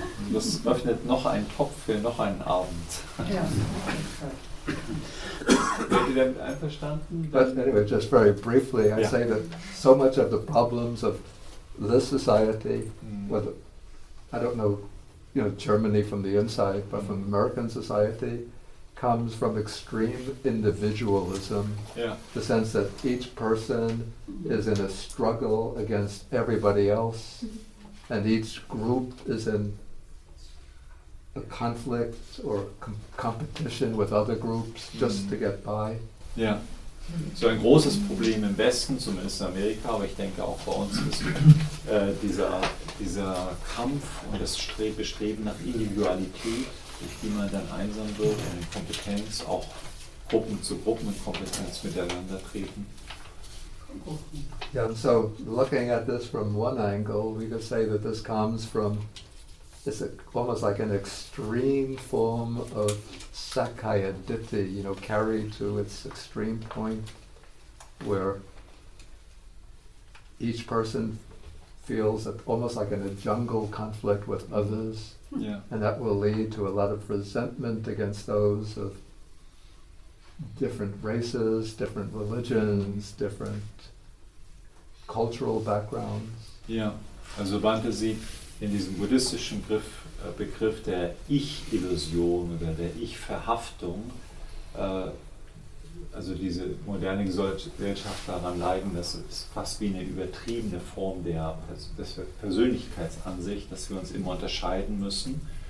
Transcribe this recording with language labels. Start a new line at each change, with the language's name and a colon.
German: Das öffnet noch einen Topf für noch einen Abend. Seid ihr damit einverstanden?
English: But anyway, just very briefly, I say that so much of the problems of this society, whether I don't know, you know, Germany from the inside, but from American society, comes from extreme individualism, the sense that each person is in a struggle against everybody else, and each group is in a conflict or competition with other groups just to get by.
German: Yeah, so ein großes Problem im Westen, zumindest in Amerika, aber ich denke auch bei uns, ist dieser Kampf und das Bestreben nach Individualität, durch die man dann einsam wird und in Kompetenz auch Gruppen zu Gruppen in Kompetenz miteinander treten.
English: Yeah, and so looking at this from one angle, we could say that this comes from, it's almost like an extreme form of Sakkaya Ditti, you know, carried to its extreme point, where each person feels that almost like in a jungle conflict with others. Yeah. And that will lead to a lot of resentment against those of different races, different religions, different cultural backgrounds.
German: Ja, also Bhante sieht in diesem buddhistischen Begriff der Ich-Illusion oder der Ich-Verhaftung, also diese moderne Gesellschaft daran leiden, dass es fast wie eine übertriebene Form der Persönlichkeitsansicht, dass wir uns immer unterscheiden müssen.